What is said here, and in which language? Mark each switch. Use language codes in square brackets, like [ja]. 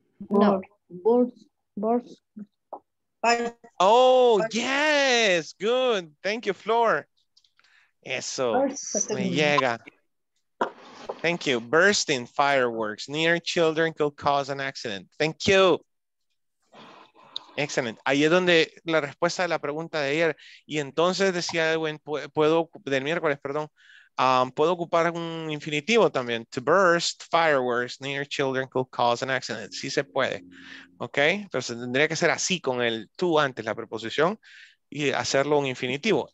[en] No, birds. Oh, yes, good. Thank you, Flor. [es] Eso, me llega. [en] Thank you. Bursting fireworks near children could cause an accident. Thank you. [es] Excelente. Ahí es donde la respuesta a la pregunta de ayer. Y entonces decía Edwin, puedo ocupar un infinitivo también. [en] To burst fireworks near children could cause an accident. [es] Sí se puede. Ok. Entonces tendría que ser así con el to antes, la preposición, y hacerlo un infinitivo.